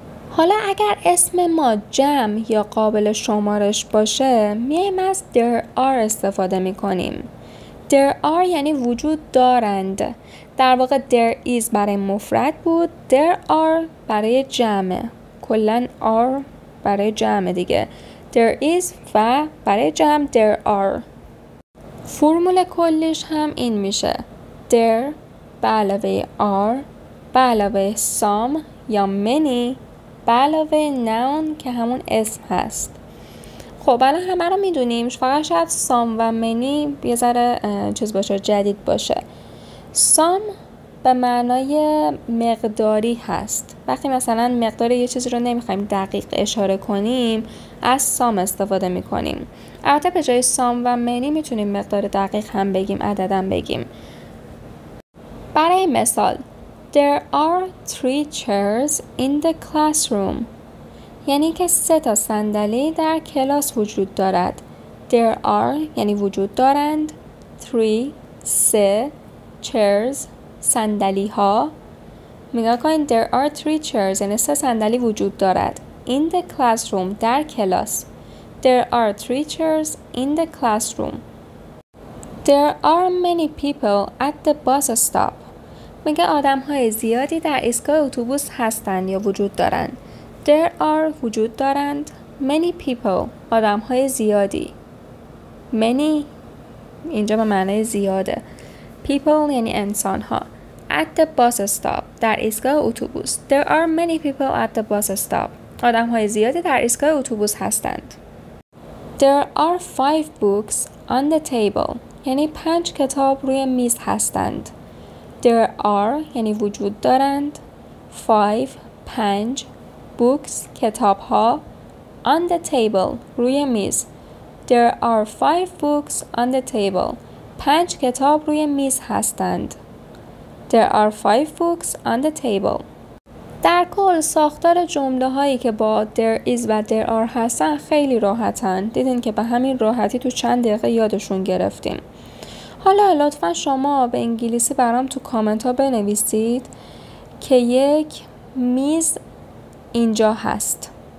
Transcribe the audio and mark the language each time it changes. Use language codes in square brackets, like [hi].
[fa] حالا اگر اسم ما جمع یا قابل شمارش باشه، میایم از [en] there are [fa] استفاده میکنیم. [en] There are [fa] یعنی وجود دارند. در واقع [en] there is [fa] برای مفرد بود، [en] there are [fa] برای جمع. کلن are برای جمع دیگه. [en] There is [fa] و برای جمع [en] there are. [fa] فرمول کلیش هم این میشه. There به علاوه are به علاوه some یا many به علاوه noun که همون اسم هست. خب الان همه رو میدونیم، فقط شاید some و many یه ذره چیز باشه، جدید باشه. some به معنای مقداری هست. وقتی مثلا مقدار یه چیزی رو نمیخوایم دقیق اشاره کنیم، از some استفاده میکنیم. البته به جای some و many میتونیم مقدار دقیق هم بگیم، عدد هم بگیم. برای مثال [en] There are three chairs in the classroom. [fa] یعنی که 3 صندلی در کلاس وجود دارد. [en] There are [fa] یعنی وجود دارند. [en] 3 chairs [fa] صندلی ها. میگه که [en] there are three chairs [fa] یعنی 3 صندلی وجود دارد. [en] In the classroom [fa] در کلاس. [en] There are three chairs in the classroom. There are many people at the bus stop. [fa] میگه آدم های زیادی در ایستگاه اتوبوس هستند یا وجود دارند. [en] There are [fa] وجود دارند. [en] Many people [fa] آدم های زیادی. Many اینجا به معنی زیاده. People یعنی انسان ها. [en] At the bus stop [fa] در ایستگاه اتوبوس. [en] There are many people at the bus stop. [fa] آدم های زیادی در ایستگاه اتوبوس هستند. [en] There are 5 books on the table. [fa] یعنی 5 کتاب روی میز هستند. [en] There are [fa] یعنی وجود دارند. [en] 5 books [fa] کتاب ها. [en] On the table [fa] روی میز. [en] There are 5 books on the table. [fa] 5 کتاب روی میز هستند. [en] There are 5 books on the table. [fa] در کل ساختار جمله هایی که با [en] there is [fa] و [en] there are [fa] هستن خیلی راحتن. دیدین که به همین راحتی تو چند دقیقه یادشون گرفتیم. حالا لطفا شما به انگلیسی برام تو کامنت ها بنویسید که یک میز اینجا هست.